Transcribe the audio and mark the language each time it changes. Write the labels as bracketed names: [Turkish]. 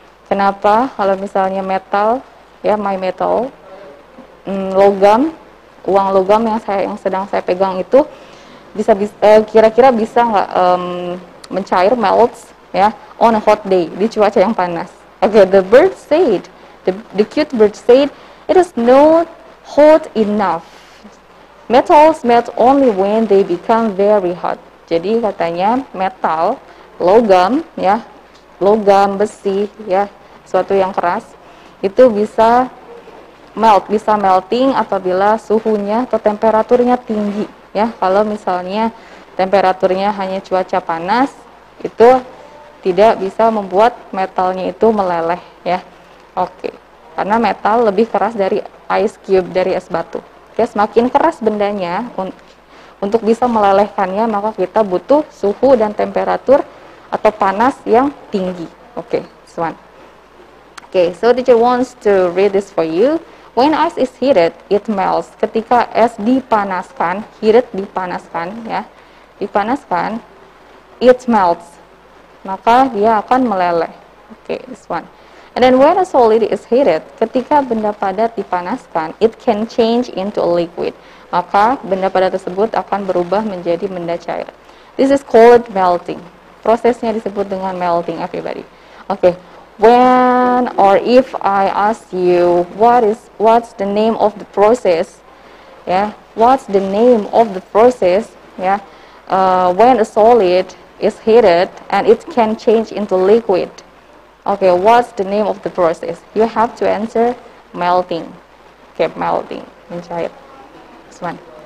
[Indonesian] Kenapa kalau misalnya metal ya, my metal logam, uang logam yang sedang saya pegang itu bisa kira-kira bisa nggak mencair, melts ya, on a hot day, di cuaca yang panas? [English] Okay, the bird said, the cute bird said, "It is not hot enough. Metals melt only when they become very hot." [Indonesian] Jadi katanya metal, logam ya, logam besi ya, suatu yang keras itu bisa melt, bisa melting apabila suhunya atau temperaturnya tinggi ya. Kalau misalnya temperaturnya hanya cuaca panas itu tidak bisa membuat metalnya itu meleleh ya. Oke. Karena metal lebih keras dari ice cube, dari es batu. Ya, semakin keras bendanya untuk bisa melelehkannya maka kita butuh suhu dan temperatur atau panas yang tinggi. [English] Oke, this one. Oke, so teacher wants to read this for you. When ice is heated, it melts. [Indonesian] Ketika es dipanaskan, heated dipanaskan ya. Dipanaskan, [English] it melts. [Indonesian] Maka dia akan meleleh. [English] Oke, this one. And then when a solid is heated, [Indonesian] ketika benda padat dipanaskan, [English] it can change into a liquid. [Indonesian] Maka benda padat tersebut akan berubah menjadi benda cair. [English] This is called melting. [Indonesian] Prosesnya disebut dengan [English] melting, everybody. Okay. When or if I ask you what's the name of the process? Yeah. What's the name of the process? Yeah. When a solid is heated and it can change into liquid. Okay, what's the name of the process? You have to answer melting. Okay, melting. [Indonesian] Mencair. [English] This one.